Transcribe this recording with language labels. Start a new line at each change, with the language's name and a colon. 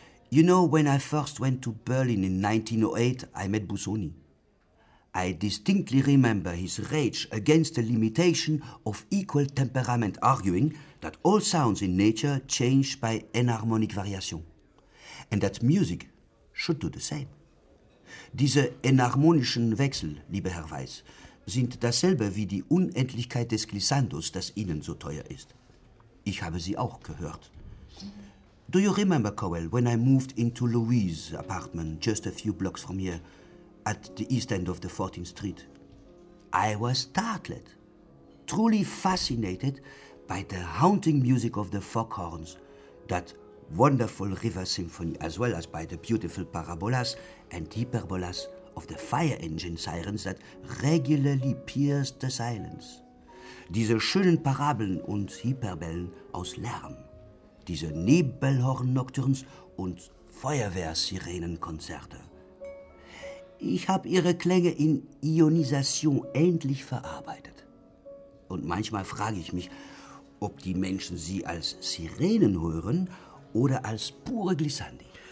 English: You know, when I first went to Berlin in 1908, I met Busoni. I distinctly remember his rage against the limitation of equal temperament, arguing that all sounds in nature change by enharmonic variation, and that music should do the same.
German: Diese enharmonischen Wechsel, lieber Herr Weiß, sind dasselbe wie die Unendlichkeit des Glissandos, das Ihnen so teuer ist. Ich habe sie auch gehört.
English: Do you remember, Cowell, when I moved into Louise's apartment just a few blocks from here, at the east end of the 14th Street? I was startled, truly fascinated by the haunting music of the Foghorns, that wonderful river symphony, as well as by the beautiful parabolas and hyperbolas of the fire engine sirens that regularly pierced the silence.
German: Diese schönen Parabeln und Hyperbellen aus Lärm, diese Nebelhorn-Nocturns und Feuerwehr-Sirenen-Konzerte. Ich habe ihre Klänge in Ionisation endlich verarbeitet. Und manchmal frage ich mich, ob die Menschen sie als Sirenen hören oder als pure Glissandi.